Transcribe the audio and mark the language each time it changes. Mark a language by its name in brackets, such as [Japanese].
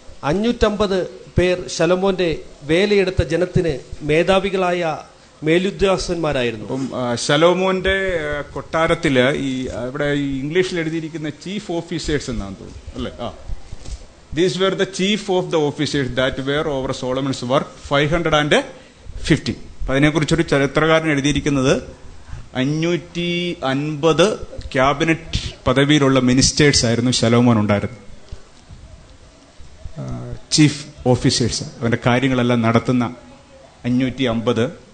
[Malayalam] 550 പേർ ശലോമോന്റെ വേലയെടുത്ത ജനത്തിന് മേധാവികളായ മേലുദ്യോഗസ്ഥന്മാരായിരുന്നു. ശലോമോന്റെ കൊട്ടാരത്തില് ഈ ഇവിടെ ഇംഗ്ലീഷിൽ എഴുതിയിരിക്കുന്ന ചീഫ് ഓഫീസേഴ്സ് എന്നാണ് തോന്നുന്നു അല്ലേ. [English] These were the chief of the officers that were over Solomon's work, 550. [Malayalam] അതിനെക്കുറിച്ചൊരു ചരിത്രകാരൻ എഴുതിയിരിക്കുന്നത് 550 ക്യാബിനറ്റ് പദവിയിലുള്ള മിനിസ്റ്റേഴ്സ് ആയിരുന്നു ശലോമോൻ ഉണ്ടായിരുന്നത്. ചീഫ് ഓഫീസേഴ്സ്, അവന്റെ കാര്യങ്ങളെല്ലാം നടത്തുന്ന 550.